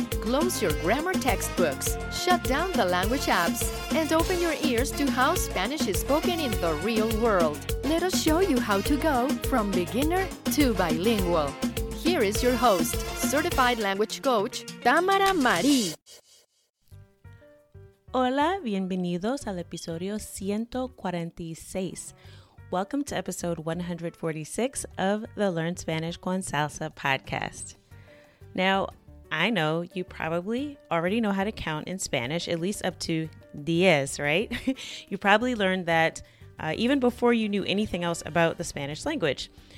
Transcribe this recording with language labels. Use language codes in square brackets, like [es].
[en] Close your grammar textbooks, shut down the language apps, and open your ears to how Spanish is spoken in the real world. Let us show you how to go from beginner to bilingual. Here is your host, certified language coach, Tamara Marie. [es] Hola, bienvenidos al episodio 146. [en] Welcome to episode 146 of the Learn Spanish con Salsa podcast. Now, I know you probably already know how to count in Spanish, at least up to 10, right? You probably learned that even before you knew anything else about the Spanish language.